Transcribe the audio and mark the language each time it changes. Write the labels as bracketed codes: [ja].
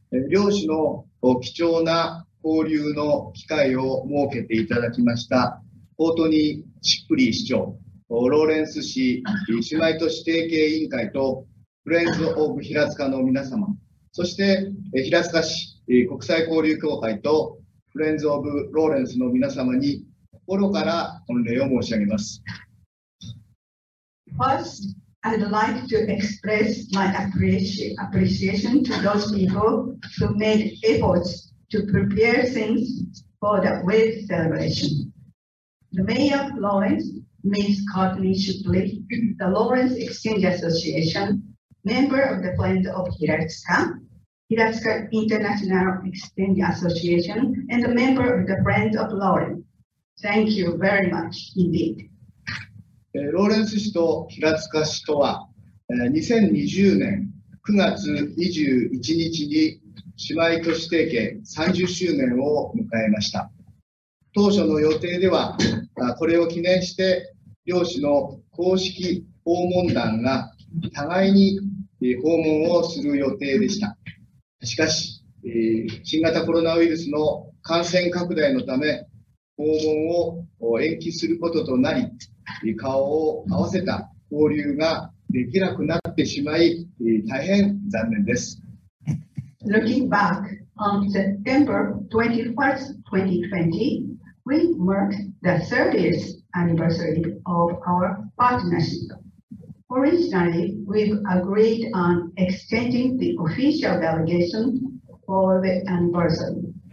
[ja] 両市の貴重な交流の機会を設けていただきましたコートニー・チップリー市長、ローレンス市姉妹都市提携委員会とフレンズ・オブ・平塚の皆様、そして平塚市国際交流協会とフレンズ・オブ・ローレンスの皆様に心から御礼を申し上げます。 [en] First,I'd like to express my appreciation to those people who made efforts to prepare things for the wedding celebration. The Mayor of Lawrence, Ms. Courtney Shipley, the Lawrence Exchange Association, member of the Friends of Hiratsuka, Hiratsuka International Exchange Association, and a member of the Friends of Lawrence. Thank you very much indeed. [ja] ローレンス市と平塚市とは2020年9月21日に姉妹都市提携30周年を迎えました。当初の予定ではこれを記念して両市の公式訪問団が互いに訪問をする予定でした。しかし新型コロナウイルスの感染拡大のため訪問を延期することとなり、顔を合わせた交流ができなくなってしまい、大変残念です。 [en] Looking back on September 21st, 2020, we marked the 30th anniversary of our partnership. Originally, we've agreed on extending the official delegation for the anniversary.